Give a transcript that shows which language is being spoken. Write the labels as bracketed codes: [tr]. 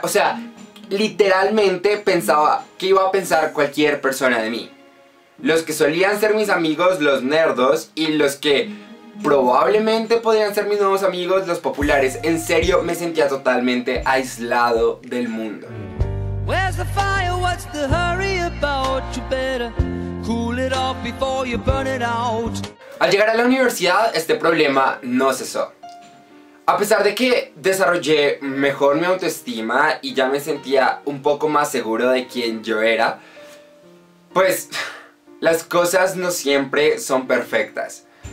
[es] O sea, literalmente pensaba, ¿qué iba a pensar cualquier persona de mí? Los que solían ser mis amigos, los nerdos, y los que probablemente podrían ser mis nuevos amigos, los populares. En serio, me sentía totalmente aislado del mundo. [en] Where's the fire? What's the hurry about? You better cool it off before you burn it out. [es] Al llegar a la universidad, este problema no cesó. A pesar de que desarrollé mejor mi autoestima y ya me sentía un poco más seguro de quién yo era, pues las cosas no siempre son perfectas.